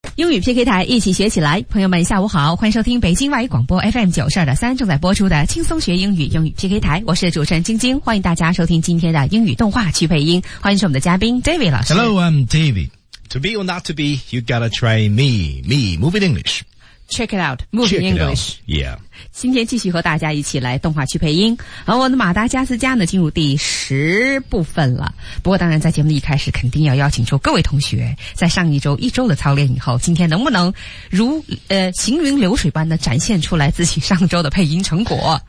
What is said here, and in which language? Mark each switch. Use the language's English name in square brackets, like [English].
[Chinese] 英语 PK 台一起学起来，朋友们下午好，欢迎收听北京外语广播 FM92.3 正在播出的轻松学英语英语 PK 台，我是主持人晶晶，欢迎大家收听今天的英语动画去配音，欢迎是我们的嘉宾 David 老师。 [English] Hello, I'm David. To be or not to be, you gotta try me. Me, move in English. Check it out, move in English. Yeah. [Chinese] 今天继续和大家一起来动画去配音，而我的马达加斯加呢进入第十部分了。不过当然在节目的一开始肯定要邀请出各位同学，在上一周一周的操练以后，今天能不能如行云流水般的展现出来自己上周的配音成果。